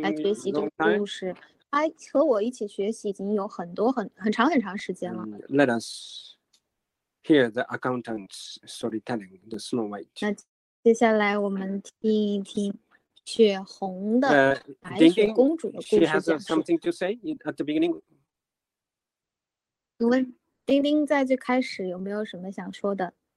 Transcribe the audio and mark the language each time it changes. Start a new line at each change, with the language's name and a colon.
English: time.
Chinese: 来学习这个故事，他和我一起学习已经有很多很长很长时间了。
English: Let us hear the accountant's storytelling, the Snow White.
Chinese: 那接下来我们听一听。雪红的白雪公主的故事讲述。
English: She has something to say at the beginning.
Chinese: 请问丁丁在最开始有没有什么想说的？